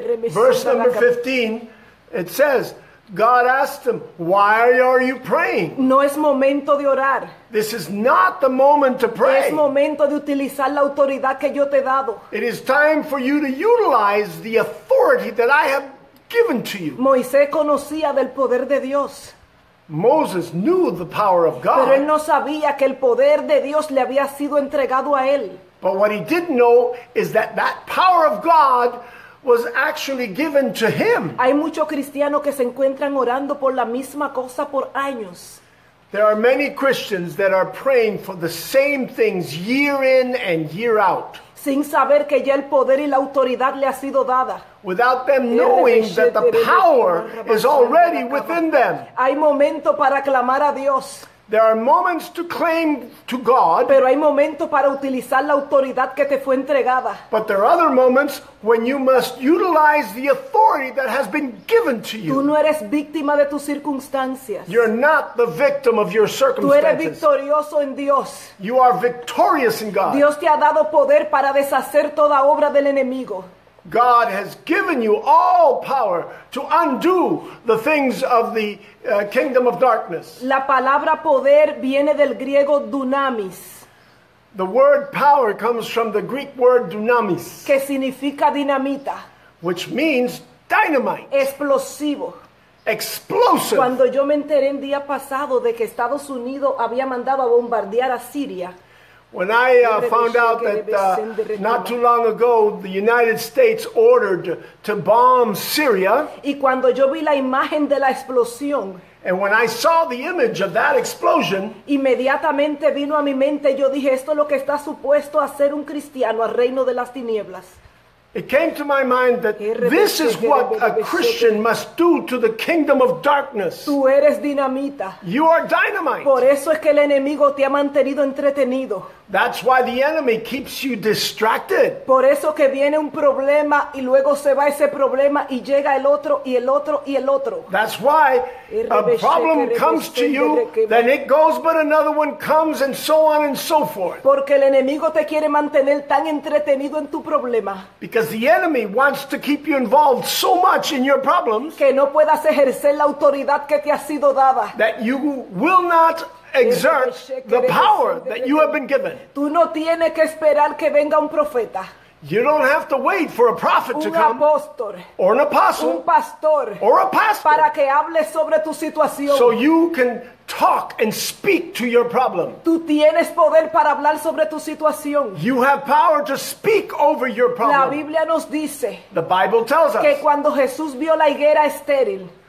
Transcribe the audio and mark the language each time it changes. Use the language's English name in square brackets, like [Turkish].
[English] Verse number 15, it says, God asked him, why are you praying? [Spanish] No es momento de orar. [English] This is not the moment to pray. [Spanish] Es momento de utilizar la autoridad que yo te he dado. [English] It is time for you to utilize the authority that I have given to you. [Spanish] Moisés conocía del poder de Dios. [English] Moses knew the power of God. [Spanish] Pero él no sabía que el poder de Dios le había sido entregado a él. [English] But what he didn't know is that that power of God was actually given to him. [Spanish] Hay muchos cristianos que se encuentran orando por la misma cosa por años. [English] There are many Christians that are praying for the same things year in and year out. [Spanish] Sin saber que ya el poder y la autoridad le ha sido dada. [English] Without them knowing that the power is already within them. [Spanish] Hay momento para clamar a Dios. [English] There are moments to claim to God. [Spanish] Pero hay momento para utilizar la autoridad que te fue entregada. [English] But there are other moments when you must utilize the authority that has been given to you. [Spanish] Tú no eres víctima de tus circunstancias. [English] You're not the victim of your circumstances. [Spanish] Tú eres victorioso en Dios. [English] You are victorious in God. [Spanish] Dios te ha dado poder para deshacer toda obra del enemigo. [English] God has given you all power to undo the things of the kingdom of darkness. [Spanish] La palabra poder viene del griego dunamis. [English] The word power comes from the Greek word dunamis. [Spanish] Que significa dinamita. [English] Which means dynamite. [Spanish] Explosivo. [English] Explosive. [Spanish] Cuando yo me enteré el día pasado de que Estados Unidos había mandado a bombardear a Siria. [English] When I found out that not too long ago the United States ordered to bomb Syria, [Spanish] y cuando yo vi la imagen de la explosión, [English] and when I saw the image of that explosion, [Spanish] inmediatamente vino a mi mente, yo dije, esto es lo que está supuesto a ser un cristiano al reino de las tinieblas. [English] It came to my mind that this is what a Christian must do to the kingdom of darkness. [Spanish] Tú eres dinamita. [English] You are dynamite. [Spanish] Por eso es que el enemigo te ha mantenido entretenido. [English] That's why the enemy keeps you distracted. [Spanish] Por eso que viene un problema y luego se va ese problema y llega el otro y el otro y el otro. [English] That's why a problem comes to you, then it goes, but another one comes, and so on and so forth. [Spanish] Porque el enemigo te quiere mantener tan entretenido en tu problema. [English] Because the enemy wants to keep you involved so much in your problems [Spanish] que no puedas ejercer la autoridad que te ha sido dada. [English] That you will not exert the power that you have been given. [Spanish] Tú no tienes que esperar que venga un profeta. [English] You don't have to wait for a prophet to come. [Spanish] Un apóstol. [English] Or an apostle. [Spanish] Un pastor. [English] Or a pastor. [Spanish] Para que hable sobre tu situación. [English] So you can talk and speak to your problem. [Spanish] Tú tienes poder para hablar sobre tu situación. [English] You have power to speak over your problem. [Spanish] La Biblia nos dice. [English] The Bible tells us. [Spanish] Que cuando Jesús vio la higuera estéril.